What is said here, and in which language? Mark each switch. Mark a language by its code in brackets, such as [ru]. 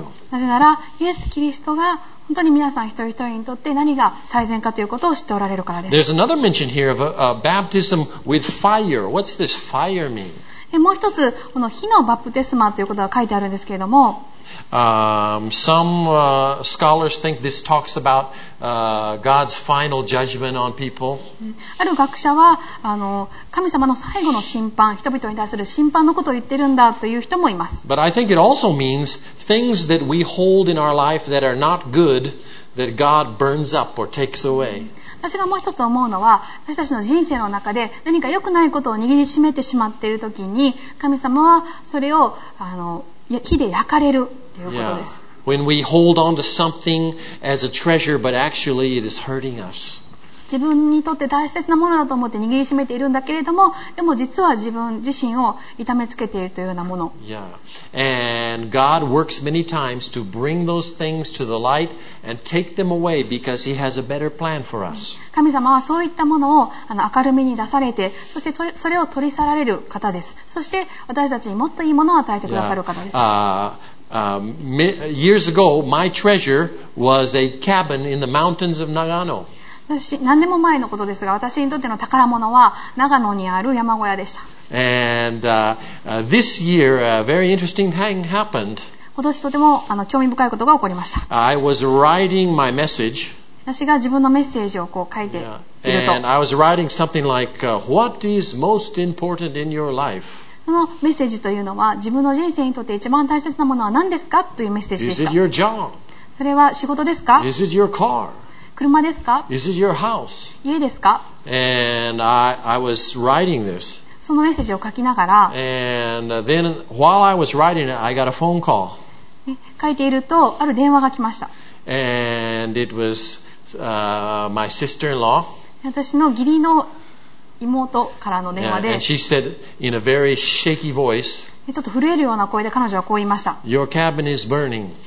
[ja] なぜならイエス・キリストが本当に皆さん一人一人にとって何が最善かということを知っておられるからです。 [en] There's another mention here of a baptism with fire. What's this fire mean? [ja] でもう一つこの火のバプテスマということが書いてあるんですけれども、 [en] Some scholars think this talks about God's final judgment on people. [ja] ある学者は神様の最後の審判、人々に対する審判のことを言ってるんだという人もいます。 [en] But I think it also means things that we hold in our life that are not good that God burns up or takes away. [ja] 私がもう一つ思うのは、私たちの人生の中で何か良くないことを握りしめてしまっているときに、神様はそれを火で焼かれるということです。 [en] Yeah. [ja] 自分にとって大切なものだと思って握りしめているんだけれども、でも実は自分自身を痛めつけているというようなもの。 [en] Yeah. And God works many times to bring those things to the light and take them away because He has a better plan for us. [ja] 神様はそういったものを明るみに出されて、そしてそれを取り去られる方です。そして私たちにもっといいものを与えてくださる方です。 [en] Years ago, my treasure was a cabin in the mountains of Nagano. [ja] 私、何年も前のことですが、私にとっての宝物は長野にある山小屋でした。 [en] And this year, a very interesting thing happened. [ja] 今年とても興味深いことが起こりました。 [en] I was writing my message. [ja] 私が自分のメッセージをこう書いていると。 [en] And I was writing something like, "What is most important in your life?" [ja] そのメッセージというのは、自分の人生にとって一番大切なものは何ですかというメッセージでした。 [en] Is it your job? [ja] それは仕事ですか？ [en] Is it your car? [ja] 車ですか？ [en] Is it your house? [ja] 家ですか？ [en] And I was writing this. [ja] そのメッセージを書きながら、 [en] And then while I was writing it, I got a phone call. [ja] 書いていると、ある電話が来ました。 [en] And it was my sister-in-law. [ja] 私の義理の妹からの電話で、 [en] she said in a very shaky voice, [ja] ちょっと震えるような声で彼女はこう言いました。 [en] Your cabin is burning.